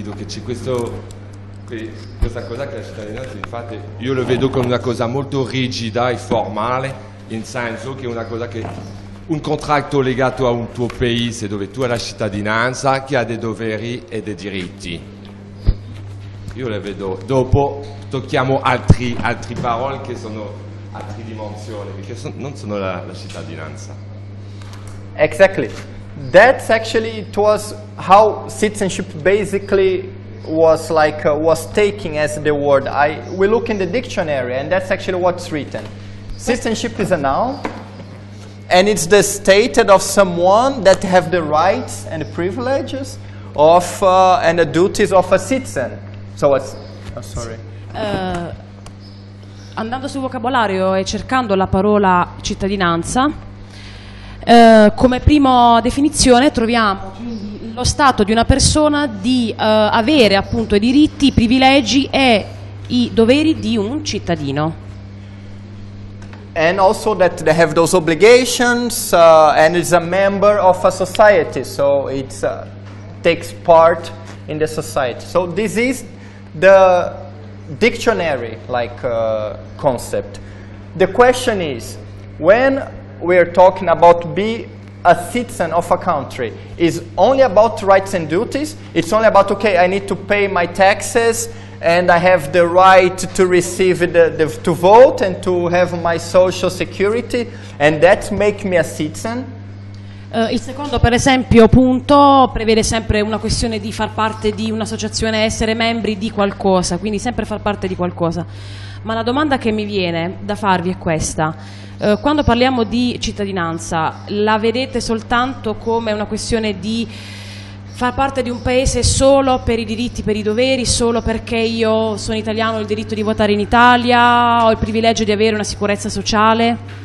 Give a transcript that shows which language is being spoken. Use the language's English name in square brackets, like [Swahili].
[Italian] Dunque c'è questa cosa che la cittadinanza, infatti io lo vedo come una cosa molto rigida e formale, in senso che è una cosa che un contratto legato a un tuo paese dove tu hai la cittadinanza, che ha dei doveri e dei diritti. Io le vedo. Dopo tocchiamo altre parole che sono altre dimensioni, perché non sono la cittadinanza. [English] Exactly. That's actually, it was how citizenship basically was like, was taken as the word. We look in the dictionary and that's actually what's written. Citizenship is a noun and it's the state of someone that have the rights and the privileges of and the duties of a citizen. So what's... Oh, sorry. Andando sul vocabolario e cercando la parola cittadinanza, come prima definizione troviamo lo stato di una persona di avere appunto i diritti, i privilegi e i doveri di un cittadino. And also that they have those obligations and is a member of a society, so it takes part in the society. So this is the dictionary like concept. The question is, when we're talking about be a citizen of a country, is only about rights and duties? It's only about, okay, I need to pay my taxes and I have the right to receive the to vote and to have my social security and that make me a citizen? [Italian] Il secondo, per esempio, punto prevede sempre una questione di far parte di un'associazione, essere membri di qualcosa, quindi sempre far parte di qualcosa. Ma la domanda che mi viene da farvi è questa. Quando parliamo di cittadinanza, la vedete soltanto come una questione di far parte di un paese solo per i diritti, per i doveri, solo perché io sono italiano, ho il diritto di votare in Italia, ho il privilegio di avere una sicurezza sociale?